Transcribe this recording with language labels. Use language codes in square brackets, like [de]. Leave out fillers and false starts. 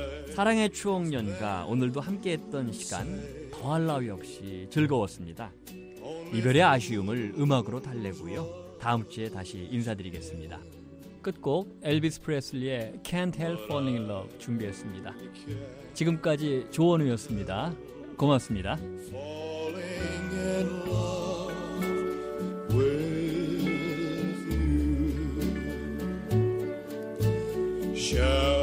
[ko] 사랑의 추억연가 오늘도 함께했던 시간 더할 나위 없이 즐거웠습니다. 이별의 아쉬움을 음악으로 달래고요. 다음 주에 다시 인사드리겠습니다. 끝곡 엘비스 프레슬리의 Can't Help Falling in Love 준비했습니다. 지금까지 조원우였습니다. 고맙습니다. [en] Falling in love with you.